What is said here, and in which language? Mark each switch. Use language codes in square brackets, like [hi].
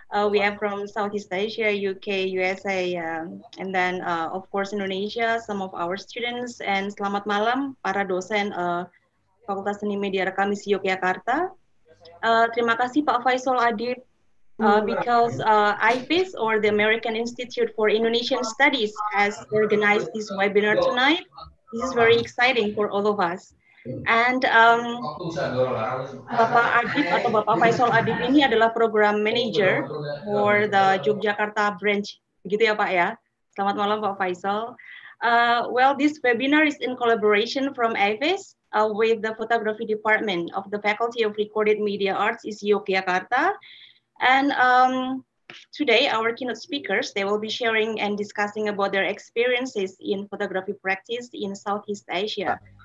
[en] We have from Southeast Asia, UK, USA, and then of course Indonesia, some of our students, and [id] selamat malam para dosen [en] Fakultas Seni Media Rekam di Yogyakarta. [id] Terima kasih [en] Pak Faisal Adib, because AIFIS, or the American Institute for Indonesian Studies, has organized this webinar tonight. This is very exciting for all of us. And Bapak Adib [id] atau [en] Bapak Faisal Adib ini adalah program manager for the Yogyakarta branch, [id] begitu ya Pak ya. Selamat malam Pak Faisal. [en] Well, this webinar is in collaboration from AIFIS with the Photography Department of the Faculty of Recorded Media Arts in Yogyakarta. And today, our keynote speakers, they will be sharing and discussing about their experiences in photography practice in Southeast Asia.